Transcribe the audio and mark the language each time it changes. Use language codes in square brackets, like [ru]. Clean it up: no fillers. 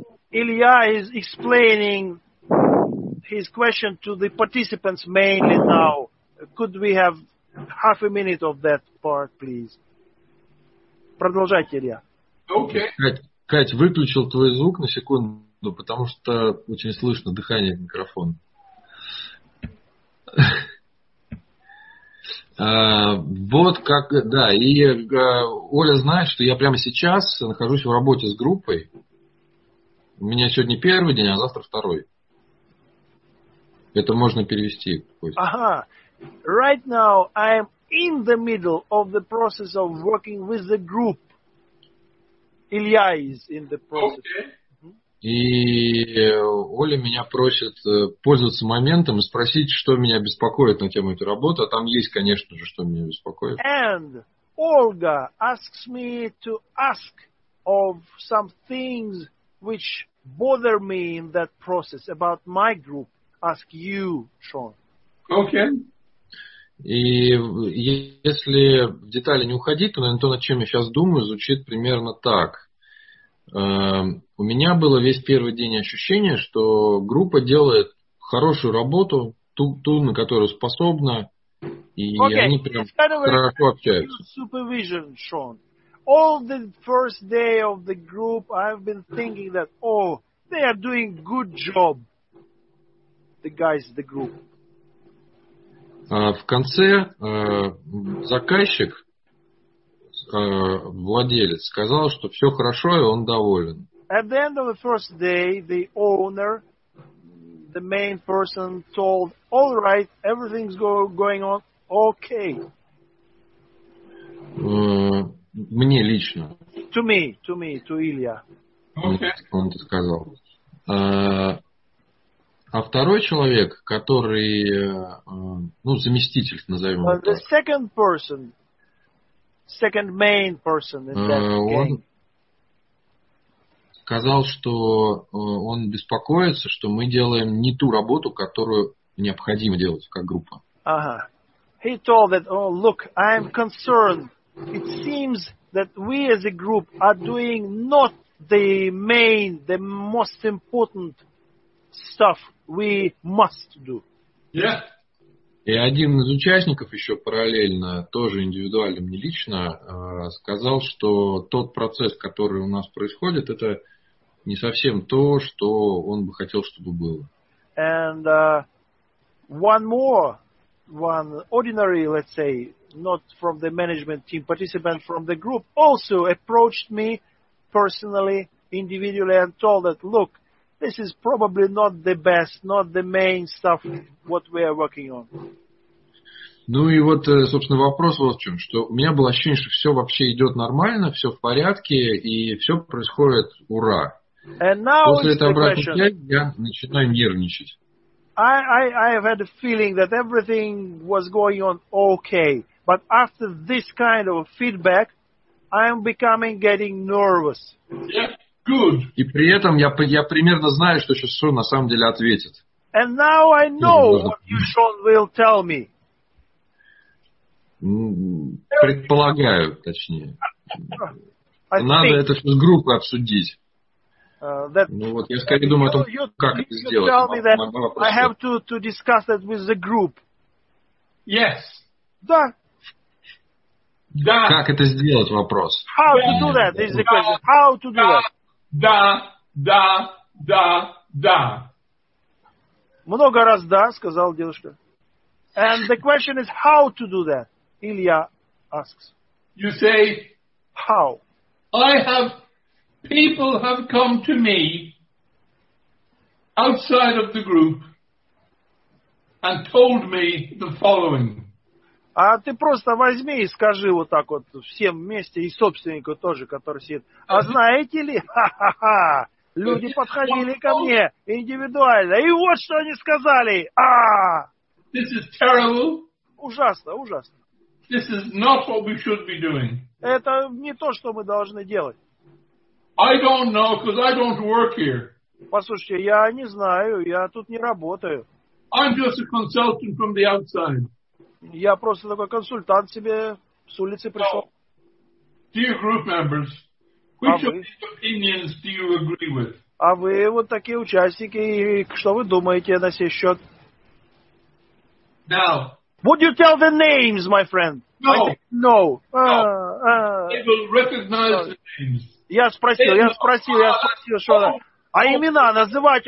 [en] Илья is explaining his question to the participants mainly now. Could we have half a minute of that part, please? [ru] Продолжайте, Илья. [en] Okay. [ru] Кать, выключил твой звук на секунду, потому что очень слышно дыхание в микрофон. Вот как, да, и Оля знает, что я прямо сейчас нахожусь в работе с группой. У меня сегодня первый день, а завтра второй. Это можно перевести. Ага. [en] Right now I'm in the middle of the process of working with the group. Илья is in the process. Okay. Mm-hmm. [ru] И Оля меня просит пользоваться моментом и спросить, что меня беспокоит на тему этой работы. А там есть, конечно же, что меня беспокоит. [en] And Olga asks me to ask of some things which bother me in that process about my group. Ask you, Sean. Okay. [ru] И если в детали не уходить, то, наверное, то, над чем я сейчас думаю, звучит примерно так. У меня было весь первый день ощущение, что группа делает хорошую работу, ту на которую способна, и [en] okay. [ru] они прям хорошо общаются. [en] Supervision, Sean. All the first day of the group, I've been thinking that, oh, they are doing good job, the guys, the group. [ru] В конце заказчик, владелец, сказал, что все хорошо, и он доволен. [en] At the end of the first day, the owner, the main person, told, all right, everything's going on, okay. [ru] Мне лично. [en] To me, to Илья. [ru] Okay. Он это сказал. А второй человек, который, ну, заместитель, назовем его так. [en] The second person, second main person in that [ru] он сказал, что он беспокоится, что мы делаем не ту работу, которую необходимо делать как группа. [en] Ага. Uh-huh. He told that, oh, look, I'm concerned. It seems that we as a group are doing not the main, the most important stuff we must do. Yeah. [ru] И один из участников еще параллельно, тоже индивидуально, мне лично, сказал, что тот процесс, который у нас происходит, это не совсем то, что он бы хотел, чтобы было. [en] And one more, one ordinary, let's say, not from the management team, participant from the group, also approached me personally, individually, and told that, look, this is probably not the best, not the main stuff what we are working on. [ru] Ну и вот, собственно, вопрос вот в чем, что у меня было ощущение, что все вообще идет нормально, все в порядке, и все происходит ура. [en] And now [ru] после этой обратной связи я начинаю нервничать. [en] I have had a feeling that everything was going on okay. But after this kind of feedback, I'm becoming getting nervous. Yeah, good. [ru] И при этом я примерно знаю, что сейчас Шон на самом деле ответит. And now I know what you, Sean, will tell me. Предполагаю, точнее. Надо это все с группой обсудить. Ну вот, я скорее думаю о том, как это сделать. [en] I have to discuss that with the group. Yes. [ru] Да. Да. Как это сделать, вопрос. [en] How to do that, this is the question. How to do that. [ru] Да, да, да, да. Много раз да, сказал девушка. [en] And the question is how to do that, Илья asks. You say, how? I have... People have come to me outside of the group and told me the following. [ru] А ты просто возьми и скажи вот так вот всем вместе и собственнику тоже, который сидит. А знаете ли, ха-ха-ха, люди подходили ко мне индивидуально, и вот что они сказали. [en] This is terrible. [ru] Ужасно, ужасно. [en] This is not what we should be doing. [ru] Это не то, что мы должны делать. [en] I don't know, because I don't work here. [ru] Послушайте, я не знаю, я тут не работаю. [en] I'm just a consultant from the outside. [ru] Я просто такой консультант себе с улицы пришел. [en] Dear group members, which of these opinions do you agree with? [ru] А вы вот такие участники, и что вы думаете на сей счет? [en] Now. Would you tell the names, my friend? No. No. They will recognize the names. [ru] Я спросил, что она... А имена называть?